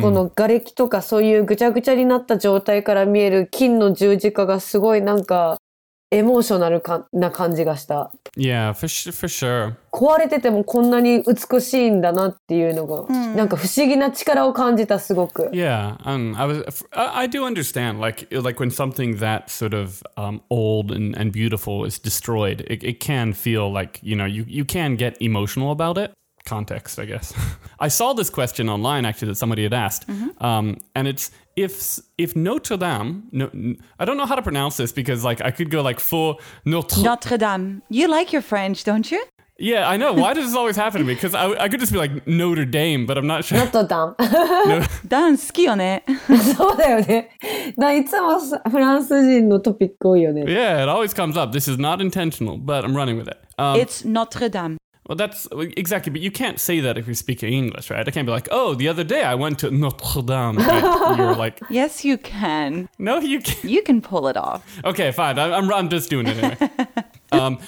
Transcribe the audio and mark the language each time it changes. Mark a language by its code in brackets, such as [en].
[ja] この瓦礫とかそういうぐちゃぐちゃになった状態から見える金の十字架がすごいなんかエモーショナルな感じがした。 [en] Yeah, for sure. [ja] 壊れててもこんなに美しいんだなっていうのが、なんか不思議な力を感じたすごく。 [en] Yeah, I do understand. Like when something that sort of old and beautiful is destroyed, it can feel like, you know, you can get emotional about it. Context, I guess. I saw this question online actually that somebody had asked, and it's if Notre Dame. I don't know how to pronounce this because like I could go like for Notre Dame. You like your French, don't you? Yeah, I know. Why does this always happen to me? Because I could just be like Notre Dame, but I'm not sure. Notre Dame. [ja] Dan, 好きよね。そうだよね。だいつもフランス人のトピック多いよね。 [en] Yeah, it always comes up. This is not intentional, but I'm running with it. It's Notre Dame. Well, that's exactly, but you can't say that if you're speaking English, right? I can't be like, oh, the other day I went to Notre Dame. You're like, yes, you can. No, you can't. You can pull it off. Okay, fine. I'm just doing it anyway.